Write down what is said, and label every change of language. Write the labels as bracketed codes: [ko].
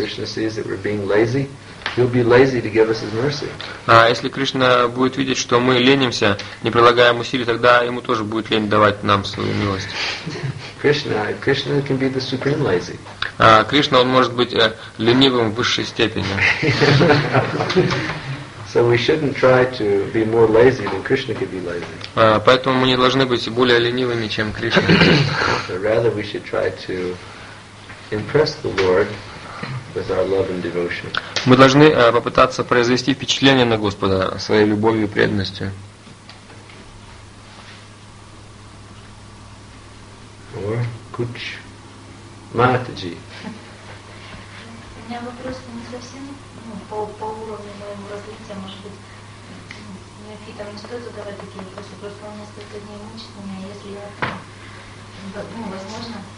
[en] Krishna sees that we're being lazy. He'll be lazy to give us his mercy. [ru] Если Кришна будет видеть, что мы ленимся, не прилагаем усилий, тогда ему тоже будет лень давать нам свою милость. [en] Krishna can be the supreme lazy. [ru] Кришна, он может быть ленивым в высшей степени. [en] So we shouldn't try to be more lazy than Krishna could be lazy. [ru] Поэтому мы не должны быть более ленивыми, чем Кришна. [en] Rather we should try to impress the Lord with our love and devotion. [ru] Мы должны попытаться произвести впечатление на Господа своей любовью и преданностью. [en] Or Kuch Mataji. [ru] У меня вопрос не совсем по уровню моего развития, может быть, неофитам не стоит задавать такие вопросы, просто у меня несколько дней мучить меня, если я, возможно,